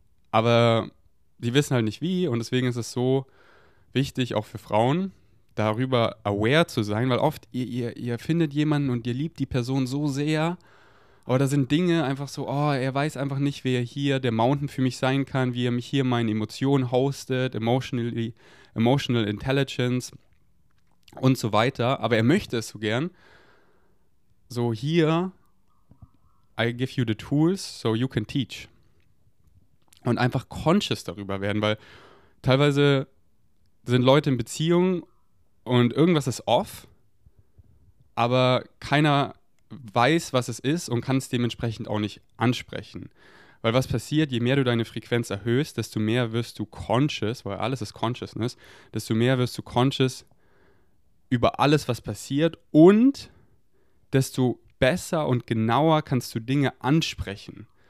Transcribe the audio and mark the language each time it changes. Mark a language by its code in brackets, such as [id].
[de] Aber die wissen halt nicht wie und deswegen ist es so wichtig, auch für Frauen, darüber aware zu sein, weil oft ihr findet jemanden und ihr liebt die Person so sehr, aber da sind Dinge einfach so, oh, er weiß einfach nicht, wer hier der Mountain für mich sein kann, wie er mich hier meine Emotionen hostet, emotional intelligence und so weiter, aber er möchte es so gern. [en] So hier, I give you the tools so you can teach. [de] Und einfach conscious darüber werden, weil teilweise sind Leute in Beziehung und irgendwas ist off, aber keiner weiß, was es ist und kann es dementsprechend auch nicht ansprechen. Weil was passiert, je mehr du deine Frequenz erhöhst, desto mehr wirst du conscious, weil alles ist Consciousness, desto mehr wirst du conscious über alles, was passiert und desto besser und genauer kannst du Dinge ansprechen.